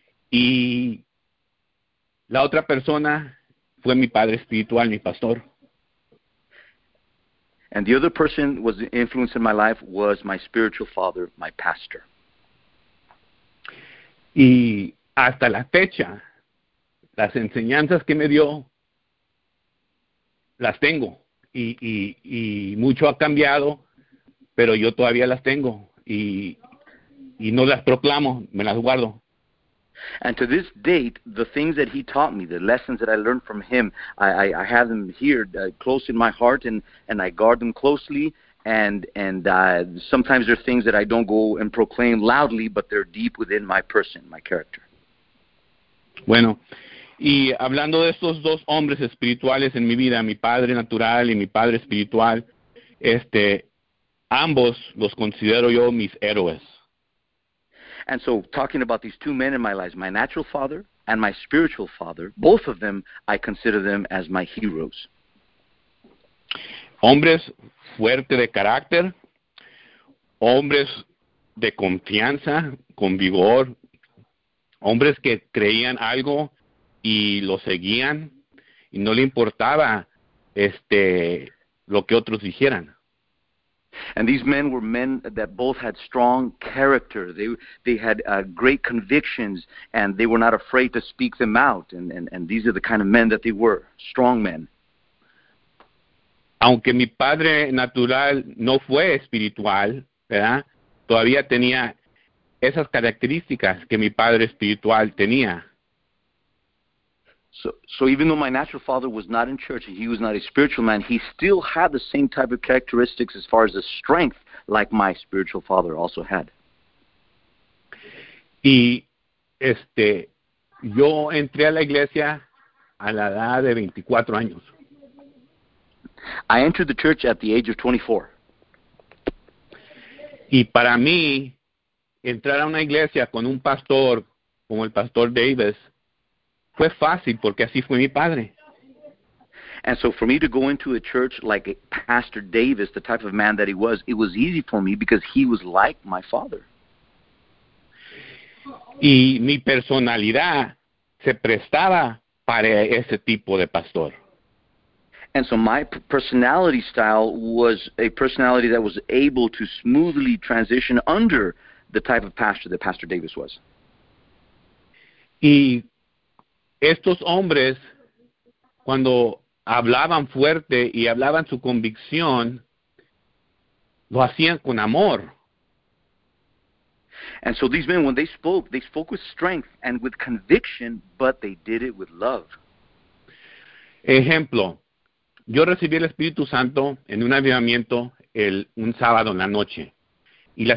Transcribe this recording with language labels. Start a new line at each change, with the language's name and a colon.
Spanish: Y la otra persona fue mi padre espiritual, mi pastor.
English: And the other person was the influence in my life was my spiritual father, my pastor.
Spanish: Y hasta la fecha, las enseñanzas que me dio, las tengo. Y mucho ha cambiado, pero yo todavía las tengo. Y no las proclamo, me las guardo.
English: And to this date, the things that he taught me, the lessons that I learned from him, I have them here, close in my heart, and I guard them closely. And sometimes there are things that I don't go and proclaim loudly, but they're deep within my person, my character.
Spanish: Bueno, y hablando de estos dos hombres espirituales en mi vida, mi padre natural y mi padre espiritual, ambos los considero yo mis héroes.
English: And so, talking about these two men in my life, my natural father and my spiritual father, both of them, I consider them as my heroes.
Spanish: Hombres fuertes de carácter, hombres de confianza, con vigor, hombres que creían algo y lo seguían y no le importaba lo que otros dijeran.
English: And these men were men that both had strong character. They had great convictions, and they were not afraid to speak them out. And these are the kind of men that they were, strong men.
Spanish: Aunque mi padre natural no fue espiritual, ¿verdad? Todavía tenía esas características que mi padre espiritual tenía.
English: So even though my natural father was not in church and he was not a spiritual man, he still had the same type of characteristics as far as the strength like my spiritual father also had.
Spanish: Y yo entré a la iglesia a la edad de 24 años.
English: I entered the church at the age of 24.
Spanish: Y para mí, entrar a una iglesia con un pastor como el pastor Davis fue fácil porque así fue mi padre.
English: And so for me to go into a church like Pastor Davis, the type of man that he was easy for me because he was like my father.
Spanish: Y mi personalidad se prestaba para ese tipo de pastor.
English: And so my personality style was a personality that was able to smoothly transition under the type of pastor that Pastor Davis was.
Spanish: Y estos hombres, cuando hablaban fuerte y hablaban su convicción, lo hacían con amor.
English: And so these men, when they spoke with strength and with conviction, but they did it with love.
Spanish: Ejemplo, yo recibí el Espíritu Santo en un avivamiento un sábado en la noche, y la